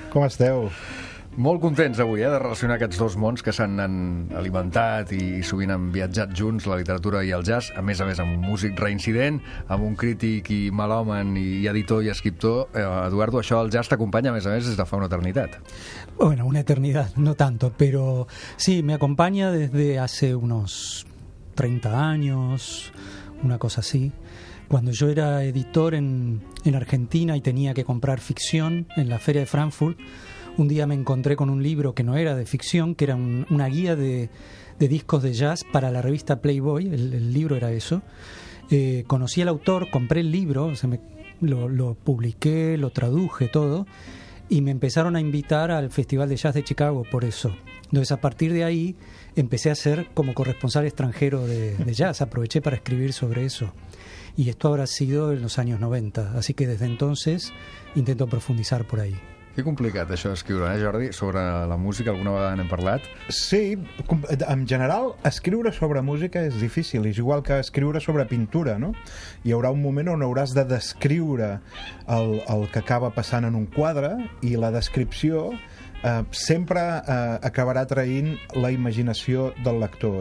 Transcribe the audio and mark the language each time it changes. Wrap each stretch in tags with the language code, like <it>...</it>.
<ca>Com esteu? Molt contents avui de relacionar aquests dos mons que s'han alimentat i sovint han viatjat junts, la literatura i el jazz, a més amb un músic reincident, amb un crític i malhomen i editor i escriptor. Eduardo, això el jazz t'acompanya a més des de fa una eternitat.</ca> <es>Bueno,</es> <ca>una eternitat,</ca> <es>no tanto, pero sí, me acompaña desde hace unos 30 años, una cosa así. Cuando yo era editor en Argentina y tenía que comprar ficción en la Feria de Frankfurt, un día me encontré con un libro que no era de ficción, que era una guía de discos de jazz para la revista Playboy, el libro era eso. Conocí al autor, compré el libro, o sea, lo publiqué, lo traduje, todo, y me empezaron a invitar al Festival de Jazz de Chicago por eso. Entonces, a partir de ahí, empecé a ser como corresponsal extranjero de jazz, aproveché para escribir sobre eso. Y esto habrá sido en los años 90, así que desde entonces intento profundizar por ahí.</es> <ca>Qué complicat això d'escriure, Jordi, sobre la música, alguna vegada n'hem parlat? Sí, en general, escriure sobre música és difícil, és igual que escriure sobre pintura, no? Hi haurà un moment on hauràs de descriure el que acaba passant en un quadre i la descripció sempre acabarà traint la imaginació del lector.</ca>